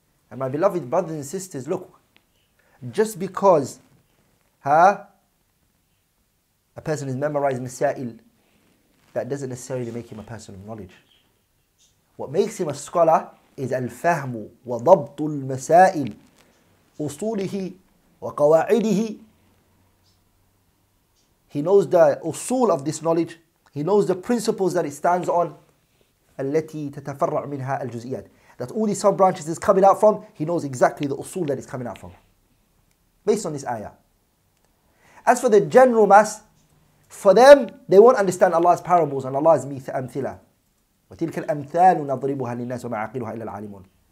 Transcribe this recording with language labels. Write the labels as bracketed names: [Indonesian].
[English] And my beloved brothers and sisters, look, just because a person has memorized Masail, that doesn't necessarily make him a person of knowledge. What makes him a scholar is [Arabic] الفهم وضبط المسائل أصوله وقواعده. [English] He knows the أصول of this knowledge. He knows the principles that it stands on. [Arabic] التي تتفرع منها الجزئيات. [English] That all these sub-branches is coming out from, he knows exactly the أصول that it's coming out from. Based on this ayah. As for the general mass, for them, they won't understand Allah's parables and Allah's amthila. [Arabic] وَتِلْكَ الْأَمْثَالُ نَضْرِبُهَا لِلنَّاسِ وَمَا عَقِلُهَا إِلَّا الْعَالِمُونَ.